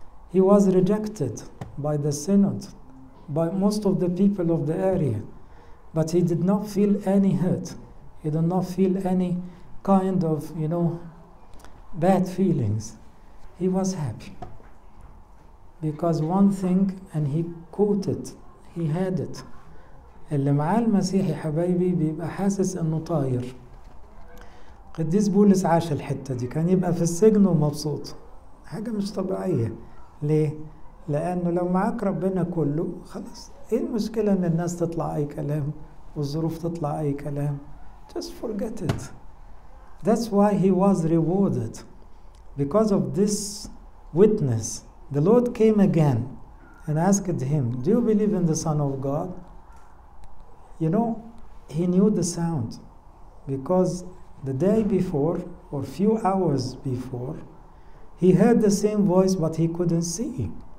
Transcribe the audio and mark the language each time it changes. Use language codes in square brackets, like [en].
[en] He was rejected by the synod, by most of the people of the area, but he did not feel any hurt. He did not feel any kind of, you know, bad feelings. He was happy. Because one thing, and he quoted, he had it. [ar] اللي معاه المسيح يا حبايبي بيبقى حاسس انه طاير. قديس بولس عاش الحتة دي, كان يبقى في السجن ومبسوط. حاجة مش طبيعية. ليه؟ لأنه لو معاك ربنا كله, خلاص. إيه المشكلة إن الناس تطلع أي كلام والظروف تطلع أي كلام؟ [en] Just forget it. That's why he was rewarded. Because of this witness. The Lord came again and asked him, do you believe in the Son of God? You know, he knew the sound, because the day before, or few hours before, he heard the same voice, but he couldn't see.